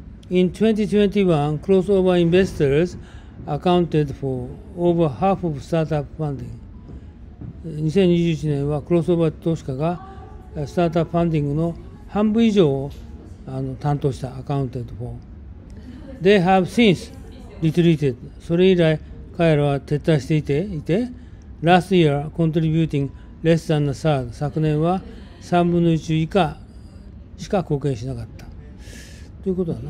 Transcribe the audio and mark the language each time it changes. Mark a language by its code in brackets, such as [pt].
[en] In 2021, crossover investors accounted for over half of startup funding。 [ja] 2021年はクロスオーバー投資家がスタートアップファンディングの半分以上を担当した。 [en] accounted for。 They have since retreated。 [ja] それ以来彼らは撤退していて、 [en] Last year contributing less than a third。 [ja] 昨年は3分の1以下しか貢献しなかったということだな。